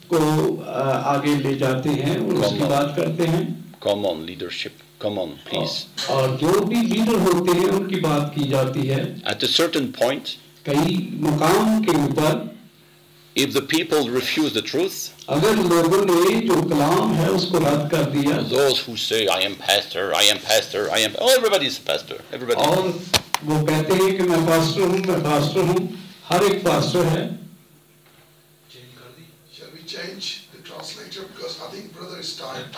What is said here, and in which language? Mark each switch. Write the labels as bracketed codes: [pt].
[hi] को आगे ले जाते हैं उसकी बात करते हैं [en] come on, leadership, come on, please. [hi] और जो भी लीडर होते हैं उनकी बात की जाती है. [en] At a certain point, [hi] कई मुकाम के ऊपर, [en] if the people refuse the truth, [hi] अगर लोगों ने जो कलाम है उसको रद्द कर दिया, [en] those who say I am pastor, oh, everybody's a pastor, everybody. [hi] और वो कहते हैं कि मैं पास्टर हूँ, हर एक पास्टर है. [en] Change the translator because I think brother is tired.